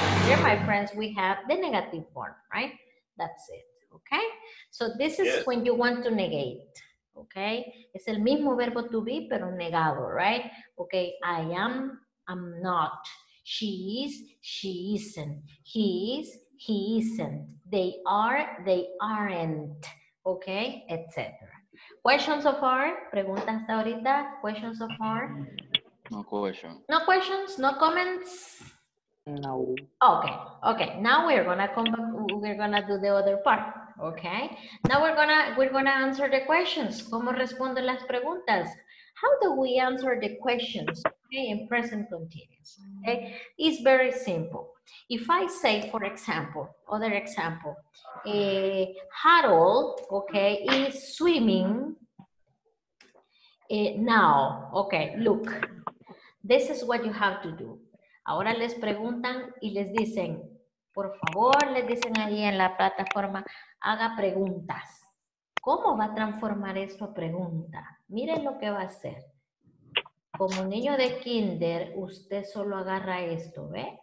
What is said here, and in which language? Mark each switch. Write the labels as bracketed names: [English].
[English] Here, my friends, we have the negative form, right? That's it, okay? So this is when you want to negate, okay? [Spanish] Es el mismo verbo to be, pero negado, [English] right? Okay, I am, I'm not. She is, she isn't. He is, he isn't. They are, they aren't, okay? Etc. Questions so far? [Spanish] Preguntas hasta ahorita? [English] Questions so far? No questions? No comments? No. Okay. Now we're gonna come back. We're gonna do the other part. Okay. Now we're gonna answer the questions. [Spanish] ¿Cómo responden las preguntas? [English] How do we answer the questions? Okay, in present continuous. Okay. It's very simple. If I say, for example, other example, Harold, okay, is swimming now. Okay, look, this is what you have to do. [Spanish] Ahora les preguntan y les dicen, por favor, les dicen ahí en la plataforma, haga preguntas. ¿Cómo va a transformar esto a pregunta? Miren lo que va a hacer. Como niño de kinder, usted solo agarra esto, ¿ve?